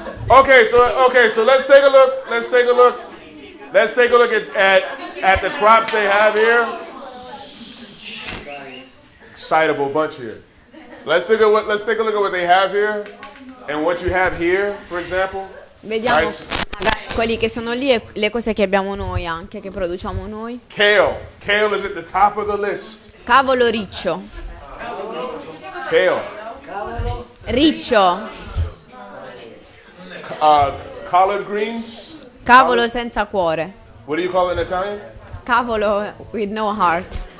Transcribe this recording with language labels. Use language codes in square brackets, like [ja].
[en] Okay, so let's take a look at the crops they have here. Excitable bunch here. Let's take a look at what they have here and what you have here, for example. [it] Vediamo. Right. Quelli che sono lì e le cose che abbiamo noi anche, che produciamo noi. [en] Kale is at the top of the list. [it] Cavolo riccio. [en] Kale. [it] Riccio. [en] Collard greens. [it] Cavolo senza cuore. [en] What do you call it in Italian? Cavolo with no heart.